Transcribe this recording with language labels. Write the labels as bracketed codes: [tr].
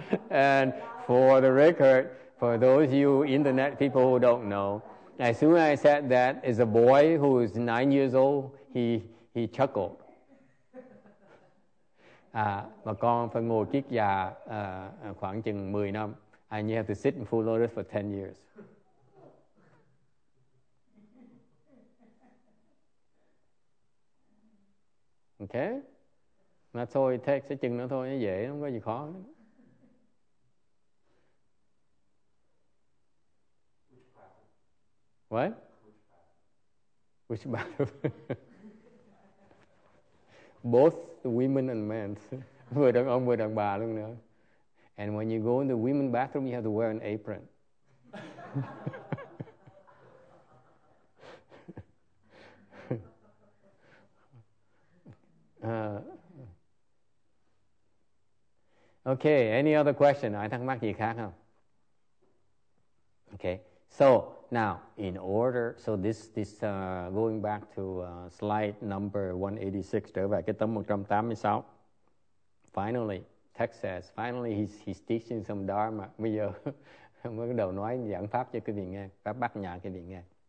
[en] And for the record, for those of you internet people who don't know, as soon as I said that, as a boy who is 9 years old, he chuckled. [vi] Mà con phải ngồi kiết già khoảng chừng 10 năm. [en] And you have to sit in full lotus for 10 years. Okay? [vi] Mà thôi, thích sẽ chừng nữa thôi, nó dễ, không có gì khó. [en] What? Which bathroom? Both the women and men. [vi] Vừa đàn ông, vừa đàn bà luôn nữa. [en] And when you go in the women bathroom, you have to wear an apron. Okay, any other question? [vi] Ai thắc mắc gì khác không? [en] Okay, so now, in order, so this going back to slide number 186, [vi] trở về cái tấm 186. [en] Finally, text says, finally he's teaching some dharma. [vi] Bây giờ, mới bắt đầu nói giảng pháp cho quý vị nghe, pháp bát nhã quý vị nghe.